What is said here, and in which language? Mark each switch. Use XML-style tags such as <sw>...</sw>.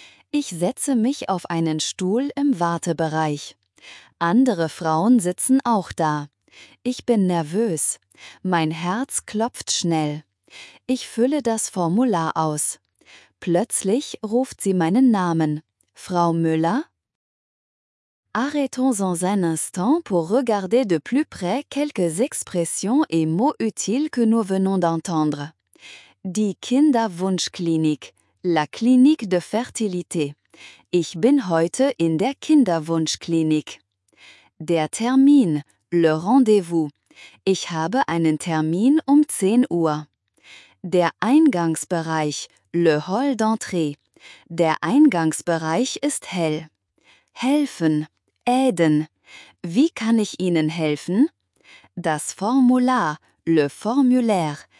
<de>Ich setze mich auf einen Stuhl im Wartebereich. Andere Frauen sitzen auch da. Ich bin nervös. Mein Herz klopft schnell. Ich fülle das Formular aus. Plötzlich ruft sie meinen Namen. Frau Müller? Arrêtons-nous un instant pour regarder de plus près quelques expressions et mots utiles que nous venons d'entendre. Die Kinderwunschklinik,</de> <fr>la clinique de fertilité.</fr> <de>Ich bin heute in der Kinderwunschklinik. Der Termin,</de> <fr>le rendez-vous.</fr> <de>Ich habe einen Termin um 10 Uhr. Der Eingangsbereich,</de> <fr>le hall d'entrée.</fr> <de>Der Eingangsbereich ist hell. Helfen. Aiden. Wie kann ich Ihnen helfen? Das Formular,</de> <fr>le formulaire.</fr>